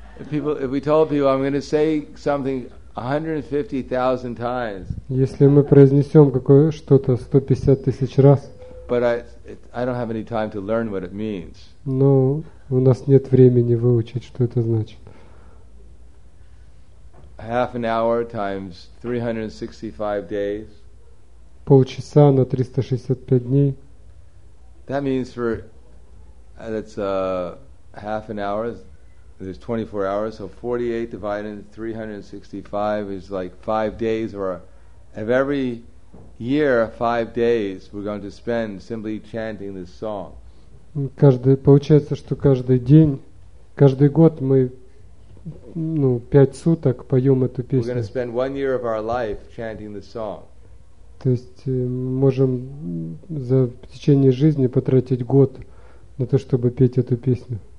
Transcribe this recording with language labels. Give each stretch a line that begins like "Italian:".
English: If we told people I'm going to say something 150,000 times.
Russian: Если мы произнесем какое что-то 150 тысяч раз.
English: But I don't have any time to learn what it means.
Russian: Но у нас нет времени выучить, что это значит.
English: Half an hour times 365 days.
Russian: Полчаса на 365 дней.
English: That means for that's half an hour. There's 24 hours, so 48 divided into 365 is like 5 days, or of every year, 5 days we're going to spend simply chanting this song.
Russian: Получается, что каждый день, каждый год мы, ну, 5 суток поем эту песню.
English: We're going to spend 1 year of our life chanting this song.
Russian: То есть мы можем за течение жизни потратить год на то, чтобы петь эту песню.